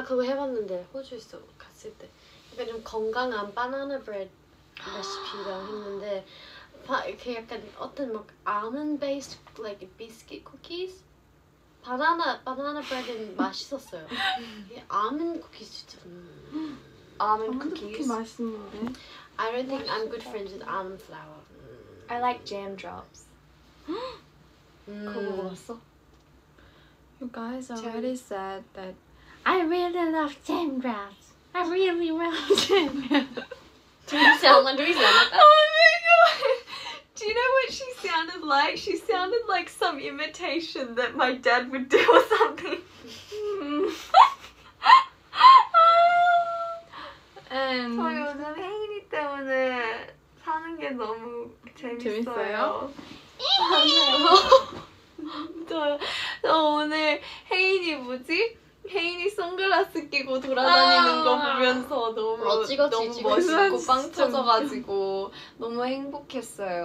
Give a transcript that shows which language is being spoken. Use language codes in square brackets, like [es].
[ko] 아 그거 해봤는데 호주에서 갔을 때 약간 좀 건강한 바나나 브레드 레시피라고 했는데 이렇게 약간 어떤 막 [en] almond based like biscuit cookies [ko] 바나나 브레드는 맛있었어요. 아몬드 쿠키 진짜 아몬드 쿠키 맛있는데. [en] I don't think I'm good friends with almond flour. I like jam drops. [ko] 그거 먹었어? [en] You guys already said that I really love jam drops. I really love jam drops. Do you sound like that? Oh my god! Do you know what she sounded like? She sounded like some imitation that my dad would do or something. And [ko] 저희 요즘 혜인이 때문에 사는 게 너무 재밌어요. 재밌어요? 저 오늘 혜인이 뭐지? 혜인이 선글라스 끼고 돌아다니는 거 보면서 너무 멋있고 빵 터져가지고 너무 행복했어요.